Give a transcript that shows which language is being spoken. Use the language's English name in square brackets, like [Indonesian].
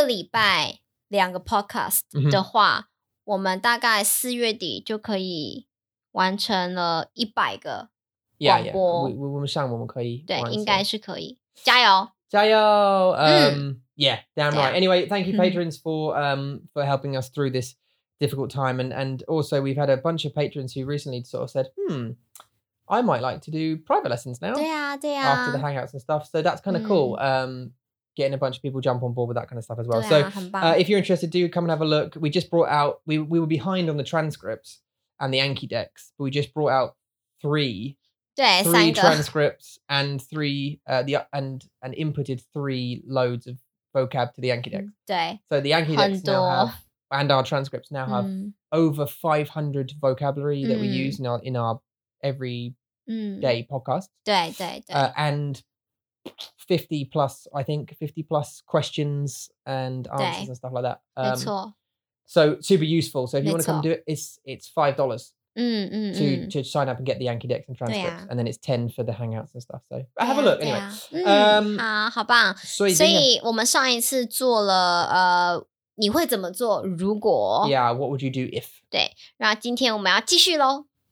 [Chinese] 对，如果我们一天一个礼拜两个 podcast 的话，我们大概四月底就可以完成了100个广播。我们上我们可以，对，应该是可以，加油，加油。 [English] Yeah, damn right. Anyway, thank you, patrons, for helping us through this difficult time. And also, we've had a bunch of patrons who recently sort of said, I might like to do private lessons now. Yeah. After the hangouts and stuff. So that's kind of cool. Getting a bunch of people jump on board with that kind of stuff as well. Yeah, so if you're interested, do come and have a look. We just brought out, we were behind on the transcripts and the Anki decks, but we just brought out three transcripts and three, and inputted three loads of vocab to the Yankee deck. So the Yankee decks now have, and our transcripts now have over 500 vocabulary that we use in our everyday podcast. [Chinese] 对对对。 [English] And 50 plus, I think, 50 plus questions and answers and stuff like that. So super useful. So if you want to come do it, it's $5 to sign up and get the Yankee decks and transcripts. And then it's 10 for the hangouts and stuff. So have a look anyway. [Chinese] 好棒。所以我们上一次做了你会怎么做如果 [English] Yeah, what would you do if? [Chinese] 对,然后今天我们要继续咯。